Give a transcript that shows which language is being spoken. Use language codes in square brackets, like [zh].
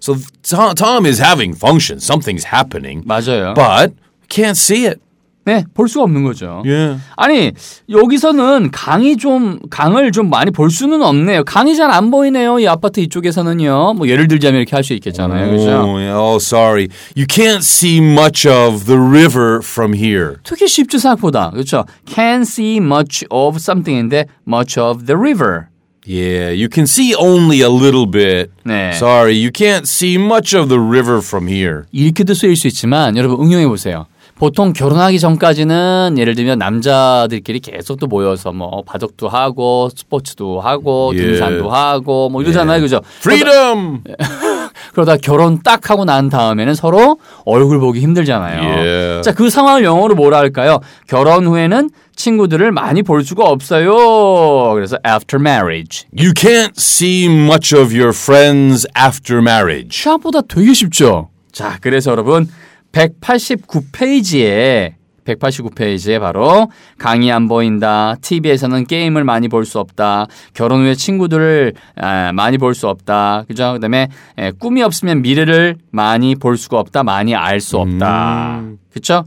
[en] So Tom is having functions. Something's happening. [ko] 맞아요. [en] But can't see it. [ko] 네, 볼 수가 없는 거죠. [en] Yeah. [ko] 아니, 여기서는 강을 좀 많이 볼 수는 없네요. 강이 잘 안 보이네요. 이 아파트 이쪽에서는요. 뭐 예를 들자면 이렇게 할 수 있겠잖아요. 그렇죠? [en] Oh, yeah. Oh, sorry. You can't see much of the river from here. [ko] 특히 쉽죠, 생각보다. 그렇죠? [en] Can't see much of something인데 much of the river. Yeah, you can see only a little bit. [ko] 네. [en] Sorry, you can't see much of the river from here. [ko] 이렇게도 쓰일 수 있지만 여러분 응용해 보세요. 보통 결혼하기 전까지는 예를 들면 남자들끼리 계속 또 모여서 뭐 바둑도 하고 스포츠도 하고 등산도 [en] yeah. [ko] 하고 뭐 이러잖아요. Yeah. 그죠? [en] Freedom! [ko] 그러다 결혼 딱 하고 난 다음에는 서로 얼굴 보기 힘들잖아요. [en] Yeah. [ko] 자, 그 상황을 영어로 뭐라 할까요? 결혼 후에는 친구들을 많이 볼 수가 없어요. [en] 그래서 after marriage. You can't see much of your friends after marriage. [ko] 시합보다 되게 쉽죠? 자, 그래서 여러분 189페이지에 바로 강이 안 보인다, TV에서는 게임을 많이 볼 수 없다, 결혼 후에 친구들을 많이 볼 수 없다, 그죠? 그 다음에 꿈이 없으면 미래를 많이 볼 수가 없다, 많이 알 수 없다. 그쵸?